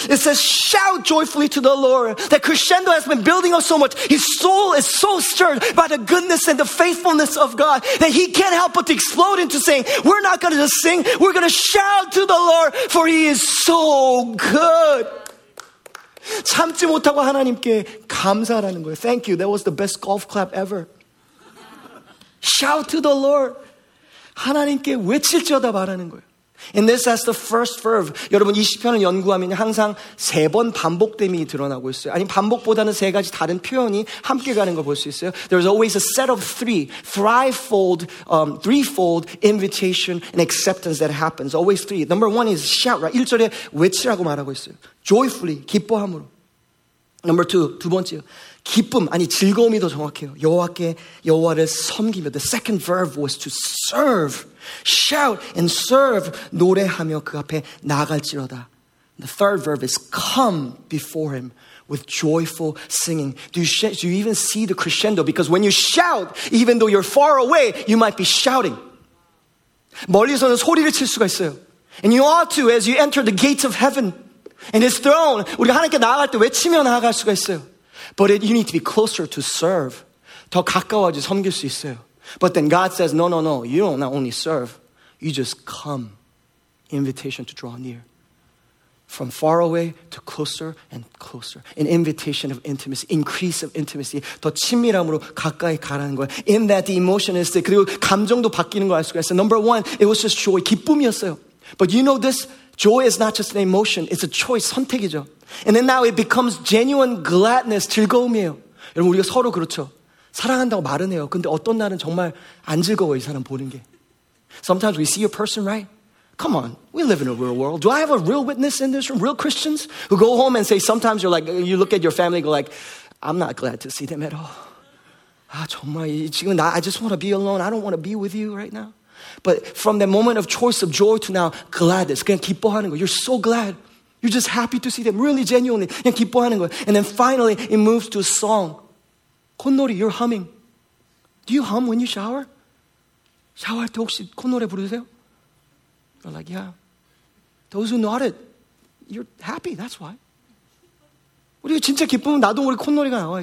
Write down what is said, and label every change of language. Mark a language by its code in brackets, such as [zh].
[en] It says shout joyfully to the Lord. That crescendo has been building up so much. His soul is so stirred by the goodness and the faithfulness of God that he can't help but to explode into saying, we're not going to just sing, we're going to shout to the Lord, for he is so good. [ko] 참지 못하고 하나님께 감사하라는 거예요. [en] Thank you. That was the best golf clap ever. Shout to the Lord. [ko] 하나님께 외칠지어다 말하는 거예요. [en] And this has the first verb. [ko] 여러분 이 시편을 연구하면 항상 세 번 반복됨이 드러나고 있어요. 아니 반복보다는 세 가지 다른 표현이 함께 가는 걸 볼 수 있어요. [en] There's always a set of three, thrifold, threefold invitation and acceptance that happens. Always three. Number one is shout, right? [ko] 1절에 외치라고 말하고 있어요. [en] Joyfully, [ko] 기뻐함으로. [en] Number two, [ko] 두 번째요. 기쁨, 아니 즐거움이 더 정확해요. 여호와께, 여호와를 섬기며. [en] The second verb was to serve. Shout and serve. [ko] 노래하며 그 앞에 나갈지로다. [en] The third verb is come before him with joyful singing. Do you even see the crescendo? Because when you shout, even though you're far away, you might be shouting. [ko] 멀리서는 소리를 칠 수가 있어요. [en] And you ought to as you enter the gates of heaven and his throne. [ko] 우리가 하나님께 나아갈 때 외치며 나아갈 수가 있어요. [en] But you need to be closer to serve. [ko] 더 가까워야지 섬길 수 있어요. [en] But then God says, no, no, no. You don't not only serve. You just come. Invitation to draw near. From far away to closer and closer. An invitation of intimacy. Increase of intimacy. [ko] 더 친밀함으로 가까이 가라는 거예요. [en] In that the emotion is there. [ko] 그리고 감정도 바뀌는 거 알 수가 있어요. [en] Number one, it was just joy. [ko] 기쁨이었어요. [en] But you know this? Joy is not just an emotion. It's a choice. [ko] 선택이죠. [en] And then now it becomes genuine gladness, [ko] 즐거움이에요. 여러분 우리가 서로 그렇죠. 사랑한다고 말은 해요. 근데 어떤 날은 정말 안 즐거워요, 이 사람 보는 게. [en] Sometimes we see a person, right? Come on, we live in a real world. Do I have a real witness in this room? Real Christians? Who go home and say, sometimes you're like, you look at your family and go like, I'm not glad to see them at all. [ko] 아, 정말 지금 나, [en] I just want to be alone. I don't want to be with you right now. But from the moment of choice of joy to now, gladness. [ko] 그냥 기뻐하는 거. [en] You're so glad. You're just happy to see them, really genuinely. [ko] 그냥 기뻐하는 거예요. [en] And then finally, it moves to a song. [ko] 콧노래, [en] you're humming. Do you hum when you shower? [ko] 샤워할 때 혹시 콧노래 부르세요? [en] You're like, yeah. Those who nodded, you're happy, that's why. [ko] 우리가 진짜 기쁘면 나도 우리 콧노래가 나와요.